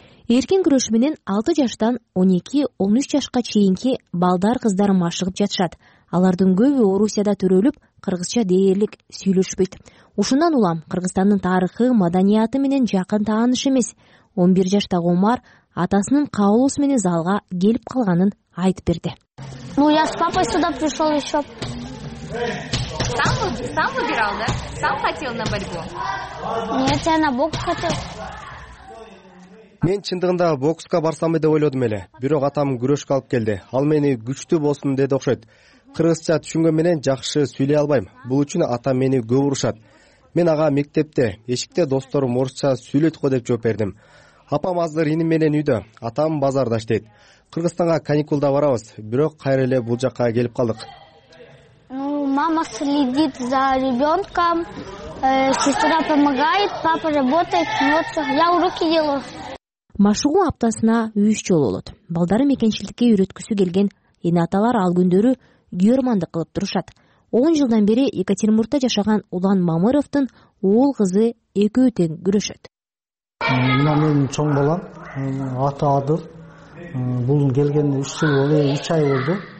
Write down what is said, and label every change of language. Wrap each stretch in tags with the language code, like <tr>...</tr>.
<ky>Эркин күрөш менен 6 жаштан 12-13 жашка чейинки балдар кыздар машыгып жатышат. Алардын көбү Орусияда төрөлүп, кыргызча дээрлик сүйлөшпөйт. Ушундан улам Кыргызстандын тарыхы, маданияты менен жакын тааныш эмес. 11 жаштагы Умар атасынын каалоосу менен залга келип калганын айтып берди.</ky> <ru>Ну я с папой сюда пришёл ещё. Сам выбирал, да? Сам хотел на борьбу? Нет, я на бокс хотел.</ru> <ky>Мен чындыгында бокска барсам деп ойлодум эле, бирок атам күрөшкө алып келди. Ал мени күчтүү болсун деди окшойт. Кыргызча түшүнгөн менен жакшы сүйлөй албайм. Бул үчүн атам мени көп урушат. Мен ага мектепте, эшикте досторум орусча сүйлөйт го деп жооп бердим. Апам азыр иним менен үйдө, атам базарда иштейт. Кыргызстанга каникулда барабыз, бирок кайра эле бул жакка келип калдык.</ky> <ru>Мама следит за ребенком, сестра помогает, папа работает, смеется. Я уроки делаю.</ru> <ky>Машыгу аптасына 3 жолу болот. Балдары мекенчилдикке үйрөткүсү келген эне-аталар ал күндөрү германды кылып турушат. 10 жылдан бери Екатеринбургда жашаган Улан Мамыровтун уул кызы экөө тең күрөшөт. Мына менин чоң балам, аты Адыл. Бул келгенине 3 жыл болду, 3 ай болду.</ky>